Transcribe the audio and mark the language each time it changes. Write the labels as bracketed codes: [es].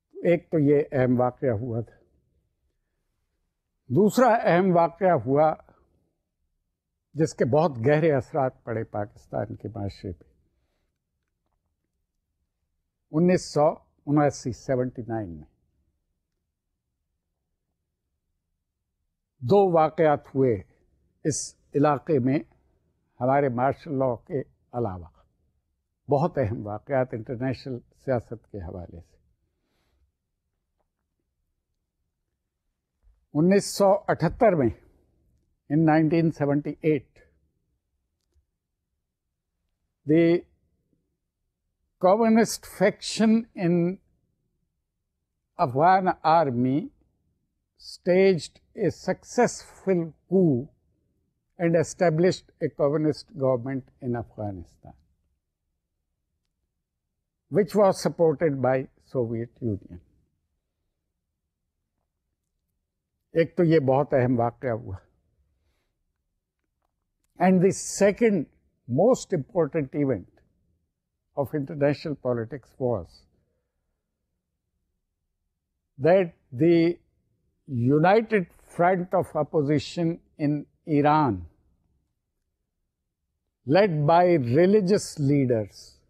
[ur] ایک تو یہ اہم واقعہ ہوا تھا. دوسرا اہم واقعہ ہوا جس کے بہت گہرے اثرات پڑے پاکستان کے معاشرے پہ, 1979 میں دو واقعات ہوئے اس علاقے میں ہمارے مارشل لاء کے علاوہ, بہت اہم واقعات انٹرنیشنل سیاست کے حوالے سے. 1978 میں, [en] in 1978, the communist faction in Afghan army staged a successful coup and established a communist government in Afghanistan, which was supported by Soviet Union. [ur] ایک تو یہ بہت اہم واقعہ ہوا. [en] and the second most important event of international politics was that the united front of opposition in Iran led by religious leaders,